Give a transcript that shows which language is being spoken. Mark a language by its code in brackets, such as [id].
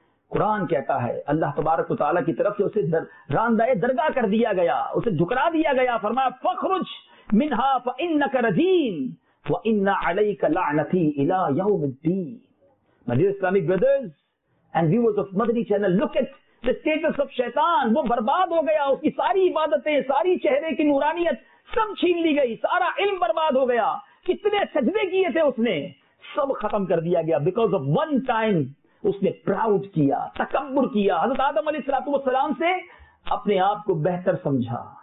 [ur] قرآن کہتا ہے اللہ تبارک و تعالیٰ کی طرف سے اسے راندہ درگاہ کر دیا گیا، اسے جھکرا دیا گیا، فرمایا [ar] فخرج منہا فانک رجیم وان علیک لعنتی الی یوم الدین. [en] My dear Islamic brothers and viewers of Madani channel, look at the status of shaitan. [ur] وہ برباد ہو گیا، اس کی ساری عبادتیں، ساری چہرے کی نورانیت سب چھین لی گئی، سارا علم برباد ہو گیا، کتنے سجدے کیے تھے اس نے سب ختم کر دیا گیا. [en] because of one time [ur] اس نے پراؤڈ کیا، تکبر کیا، حضرت آدم علیہ الصلوۃ والسلام سے اپنے آپ کو بہتر سمجھا.